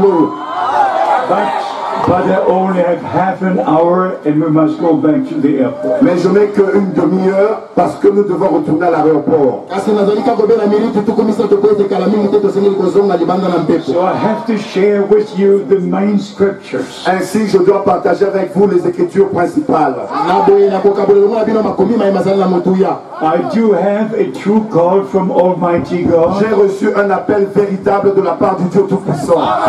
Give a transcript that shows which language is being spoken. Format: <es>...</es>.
<en>But I only have half an hour and we must go back to the airport.</en> <fr>Mais je n'ai qu'une demi-heure parce que nous devons retourner à l'aéroport.</fr> <en>So I have to share with you the main scriptures.</en> <fr>Ainsi, je dois partager avec vous les écritures principales.</fr> <en>I do have a true call from Almighty God.</en> <fr>J'ai reçu un appel véritable de la part du Dieu Tout-Puissant.</fr>